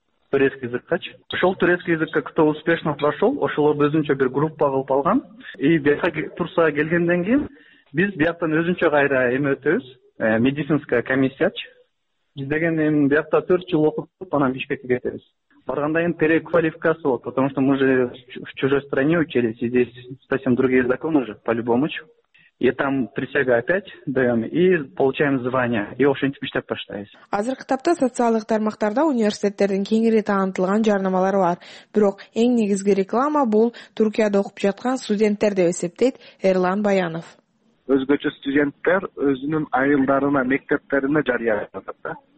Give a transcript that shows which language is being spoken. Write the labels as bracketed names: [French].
[Kyrgyz] Турецкий языккачы. Ошол турецкий языкка [Russian] кто успешно прошел, [Kyrgyz] ошолор өзүнчө бир группа кылып алган. И бияка турсага келгенден кийин биз бияктан өзүнчө кайра эме өтөбүз. Медицинская комиссиячы. Биз деген эми биякта 4 жыл окутуп, анан Бишкекке кетебиз. Баргандан кийин переквалификация болот, [Russian] потому что мы же в чужой стране учились, и здесь совсем другие законы же, по-любому. И там присяга опять даем и получаем звание. И в общем-то мечта поштаюсь. [Kyrgyz] Азыркы тапта социалдык тармактарда университеттердин кеңири таанытылган жарнамалар бар. Бирок эң негизги реклама бул Түркияда окуп жаткан студенттер деп эсептейт Эрлан Баянов. Өзгөчө студенттер өзүнүн айылдарына, мектептерине жарыялатат да.